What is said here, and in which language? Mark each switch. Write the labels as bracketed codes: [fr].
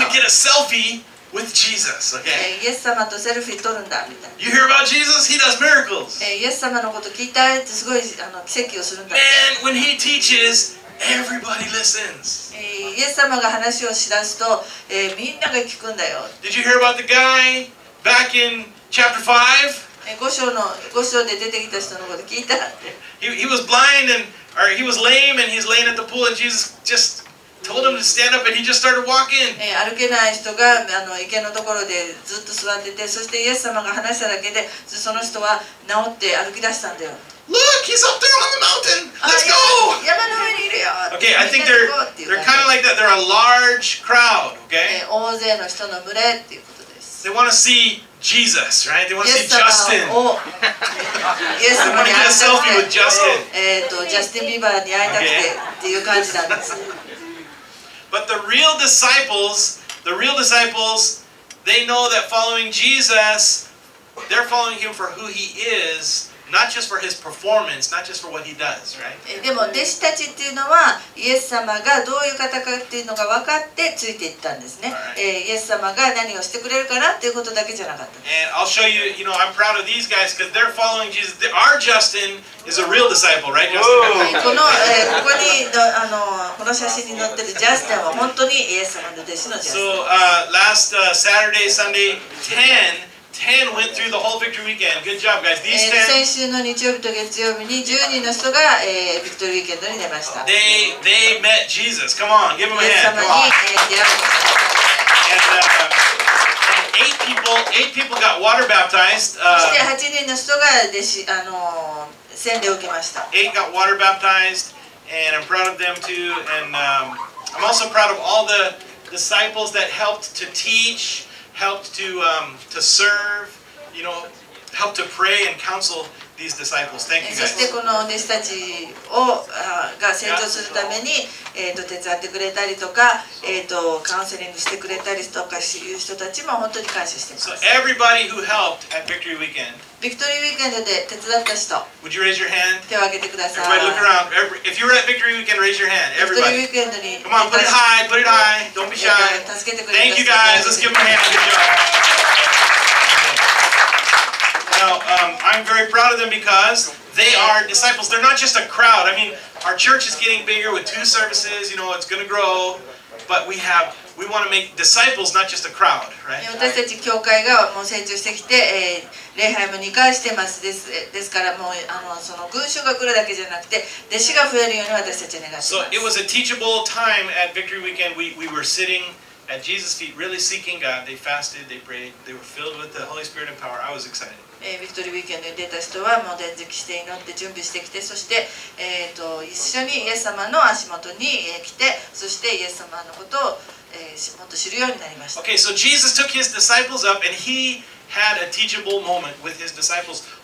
[en] ぞ。I'm gonna get a selfie with Jesus. Okay. [ja] イエス様とセルフィー撮るんだみたいな。 [en] You hear about Jesus? He does miracles. [ja] イエス様のこと聞いたってすごい奇跡をするんだ。 [en] And when he teaches, everybody listens. [ja] イエス様が話をしだすと、みんなが聞くんだよ。 [en] Did you hear about the guy back in chapter 5? [ja] 5章で出てきた人のこと聞いた。 [en] He was blind and or he was lame and he's laying at the pool and Jesus just told him to stand up and he just started walking. [ja] 歩けない人が池のところでずっと座ってて、そしてイエス様が話しただけで、その人は治って歩き出したんだよ。 [en] Look, he's up there on the mountain. Let's go. [ja] 山の上にいるよ。 [en] Okay, I think they're kind of like that. They're a large crowd, okay? [ja] 大勢の人の群れっていうことです。 [en] They want to see Jesus, right? They want to see Justin. [ja] イエス様に会いたくて、ジャスティン・ビーバーに会いたくてっていう感じなんです。 [en] But the real disciples, they know that following Jesus, they're following him for who he is. Not just for his performance, not just for what he does, right? [ja] でも弟子たちっていうのはイエス様がどういう方かっていうのが分かってついていったんですね。イエス様が何をしてくれるかなっていうことだけじゃなかった。 [en] And I'll show you, you know, I'm proud of these guys because they're following Jesus. Our Justin is a real disciple, right, Justin? [ja] この、ここにの、あの、この写真に載ってるジャスティンは本当にイエス様の弟子のジャスティン。 [en] So, last, Saturday, Sunday, 10 went through the whole victory weekend. Good job, guys. These 10. [ja] 先週の日曜日と月曜日に10人の人が、ビクトリーウィーケンドに出ました。 [en] They met Jesus. Come on, give him a hand. [ja] イエス様に出会いました。 [en] 8 people got water baptized. [ja] そして8人の人が弟子、あの、洗礼を受けました。 [en] 8 got water baptized, and I'm proud of them too. And I'm also proud of all the disciples that helped to teach. Helped to serve, you know, helped to pray and counsel these disciples. Thank you, guys. [ja] そしてこの弟子たちをが成長するために手伝ってくれたりとかカウンセリングしてくれたりとかいう人たちも本当に感謝しています。 [en] So everybody who helped at Victory Weekend. [ja] Victory Weekend で手伝った人。 [en] Would you raise your hand? [ja] 手を挙げてください。 [en] Everybody look around. If you were at Victory Weekend, raise your hand. Everybody. [ja] Victory Weekend に。 [en] Come on, put it high, put it high. Don't be shy. [ja] 助けてくれ。 [en] Thank you, guys. Let's give them a hand. Good job. I'm very proud of them because they are disciples. They're not just a crowd. I mean, our church is getting bigger with 2 services. You know, it's going to grow. But we want to make disciples, not just a crowd, right? [ja] 私たち教会がもう成長してきて、礼拝も2回してます。ですからもうあのその群衆が来るだけじゃなくて、弟子が増えるように私たち願います。 [en] So it was a teachable time at Victory Weekend. We were sitting. At Jesus' feet, really seeking God, they fasted, they prayed, they were filled with the Holy Spirit and power. I was excited. [ja] Victory Weekend に出た人はもう断食して祈って準備してきて、そして一緒にイエス様の足元に来て、そしてイエス様のことをもっと知るようになりました。 [en] Okay, so Jesus took his disciples up, and he had a teachable moment with his disciples.